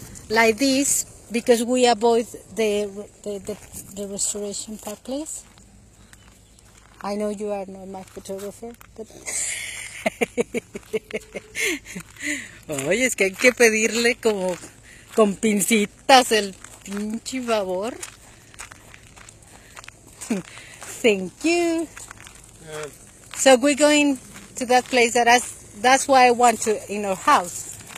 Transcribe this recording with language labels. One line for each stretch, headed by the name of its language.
English: like this, because we avoid the restoration part, please. I know you are not my photographer, but
Spanish: oye, es que hay que pedirle como con pincitas el pinche favor.
English: Thank you. So we're going to that place that's why I want to in our house.